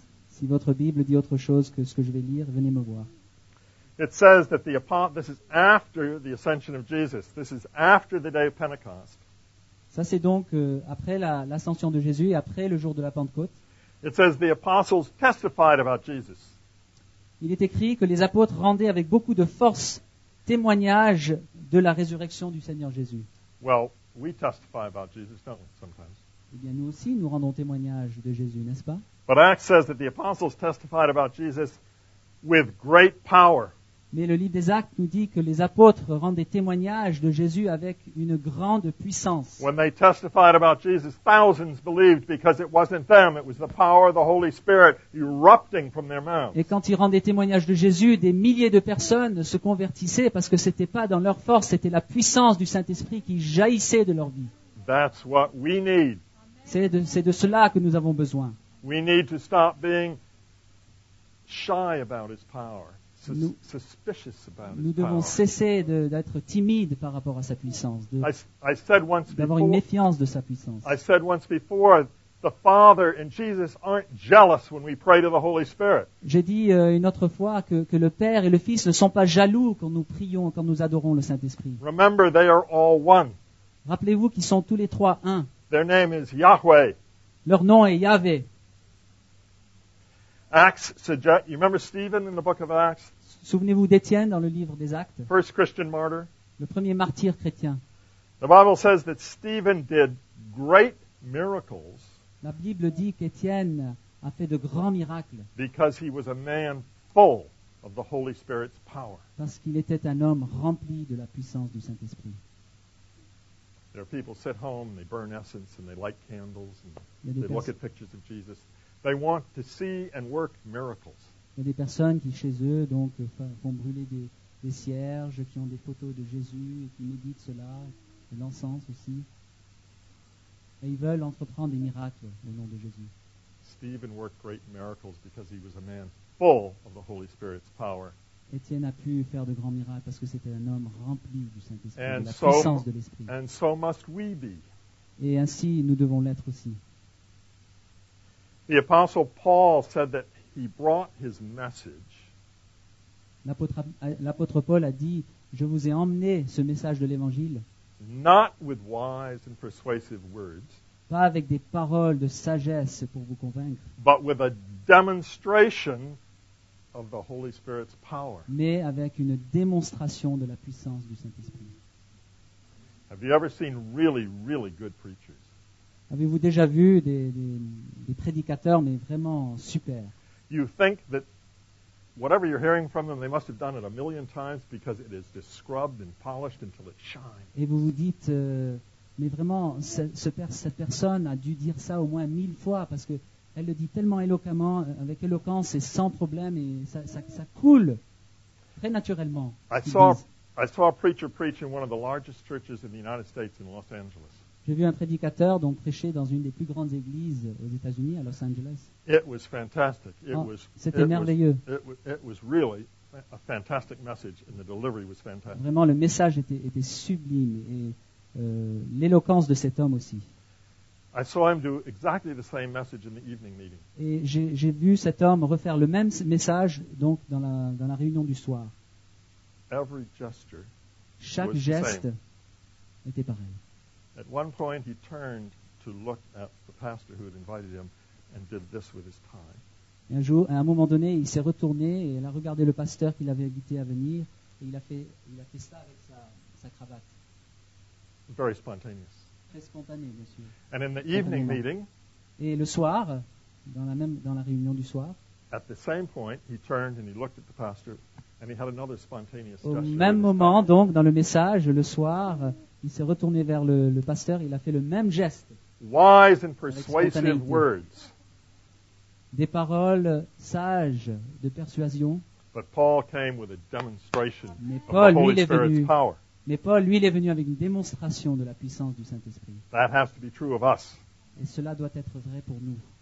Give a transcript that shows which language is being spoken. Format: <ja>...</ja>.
<fr>Si votre Bible dit autre chose que ce que je vais lire, venez me voir.</fr> <en>It says that the apostles, this is after the ascension of Jesus. This is after the day of Pentecost.</en> <fr>Ça c'est donc après l'ascension de Jésus et après le jour de la Pentecôte.</fr> <en>It says the apostles testified about Jesus.</en> <fr>Il est écrit que les apôtres rendaient avec beaucoup de force témoignage de la résurrection du Seigneur Jésus.</fr> <en>Well, we testify about Jesus, don't we, sometimes?</en> <fr>Eh bien, nous aussi, nous rendons témoignage de Jésus, n'est-ce pas?</fr> <en>But Acts says that the apostles testified about Jesus with great power.</en> <fr>Mais le livre des Actes nous dit que les apôtres rendaient témoignage de Jésus avec une grande puissance.</fr> <en>When they testified about Jesus, thousands believed because it wasn't them, it was the power of the Holy Spirit erupting from their mouths.</en> <fr>Et quand ils rendaient témoignage de Jésus, des milliers de personnes se convertissaient parce que ce n'était pas dans leur force, c'était la puissance du Saint-Esprit qui jaillissait de leur vie.</fr> <en>That's what we need.</en> <fr>C'est de cela que nous avons besoin.</fr> <en>We need to stop being shy about his power.</en> <fr>Nous devons cesser d'être timides par rapport à sa puissance, d'avoir une méfiance de sa puissance.</fr> <en>I said once before, the Father and Jesus aren't jealous when we pray to the Holy Spirit.</en> <fr>J'ai dit une autre fois que le Père et le Fils ne sont pas jaloux quand nous prions, quand nous adorons le Saint-Esprit.</fr> <en>Remember, they are all one.</en> <fr>Rappelez-vous qu'ils sont tous les trois un.</fr> <en>Their name is Yahweh.</en> <fr>Leur nom est Yahvé.</fr> <en>Acts suggest. You remember Stephen in the book of Acts?</en> <fr>Souvenez-vous d'Étienne dans le livre des Actes.</fr> <en>First Christian martyr.</en> <fr>Le premier martyr chrétien.</fr> <en>The Bible says that Stephen did great miracles.</en> <fr>La Bible dit qu'Étienne a fait de grands miracles.</fr> <en>Because he was a man full of the Holy Spirit's power.</en> <fr>Parce qu'il était un homme rempli de la puissance du Saint-Esprit.</fr> <en>There are people sit home, they burn essence and they light candles and they look at pictures of Jesus. They want to see and work miracles.</en> <fr>Il y a des personnes qui chez eux donc font brûler des cierges, qui ont des photos de Jésus et qui méditent cela, de l'encens aussi. Et ils veulent entreprendre des miracles au nom de Jésus.</fr> <en>Stephen worked great miracles because he was a man full of the Holy Spirit's power.</en> <fr>Étienne a pu faire de grands miracles parce que c'était un homme rempli du Saint-Esprit,</fr> <en>and</en> <fr>de la puissance de l'Esprit.</fr> <en>And so must we be.</en> <fr>Et ainsi nous devons l'être aussi.</fr> <en>The apostle Paul said that he brought his message.</en> <fr>L'apôtre Paul a dit, je vous ai emmené ce message de l'Évangile.</fr> <en>Not with wise and persuasive words.</en> <fr>Pas avec des paroles de sagesse pour vous convaincre.</fr> <en>But with a demonstration of the Holy Spirit's power.</en> <fr>Mais avec une démonstration de la puissance du Saint-Esprit.</fr> <en>Have you ever seen really, really good preachers?</en> <fr>Avez-vous déjà vu des prédicateurs, mais vraiment super?</fr> <en>You think that whatever you're hearing from them, they must have done it a million times because it is scrubbed and polished until it shines.</en> <fr>Et vous vous dites, mais vraiment, cette personne a dû dire ça au moins 1000 fois parce que elle le dit tellement éloquemment, avec éloquence et sans problème, et ça coule très naturellement.</fr> <en>I saw a preacher preach in one of the largest churches in the United States in Los Angeles.</en> <fr>J'ai vu un prédicateur donc prêcher dans une des plus grandes églises aux États-Unis, à Los Angeles.</fr> <en>It was fantastic.</en> <fr>C'était merveilleux.</fr> <en>It was really a fantastic message, and the delivery was fantastic.</en> <fr>Vraiment, le message était sublime et l'éloquence de cet homme aussi.</fr> <en>I saw him do exactly the same message in the evening meeting.</en> <fr>Et j'ai vu cet homme refaire le même message donc dans la réunion du soir.</fr> <en>Every gesture.</en> <fr>Chaque</fr> <en>was</en> <fr>geste</fr> <en>the same.</en> <fr>Était pareil.</fr> <en>At one point, he turned to look at the pastor who had invited him and did this with his tie.</en> <fr>Un jour, à un moment donné, il s'est retourné et il a regardé le pasteur qu'il avait invité à venir et il a fait ça avec sa cravate.</fr> <en>Very spontaneous.</en> <fr>Très spontané, monsieur.</fr> <en>And in the evening meeting,</en> <fr>et le soir, dans la réunion du soir,</fr> <en>at the same point, he turned and he looked at the pastor and he had another spontaneous gesture.</en> <fr>Au même moment, donc, dans le message, le soir, il s'est retourné vers le pasteur, il a fait le même geste.</fr> <en>Wise and persuasive words.</en> <fr>Des paroles sages de persuasion.</fr> <en>But Paul came with a demonstration</en> <fr>Mais Paul,</fr> <en>of the Holy</en> <fr>lui,</fr> <en>Spirit's</en> <fr>est venu.</fr> <en>Power.</en> <fr>Mais Paul, lui, il est venu avec une démonstration de la puissance du Saint-Esprit.</fr> <en>That has to be true of us.</en> <fr>Et cela doit être vrai pour nous.</fr>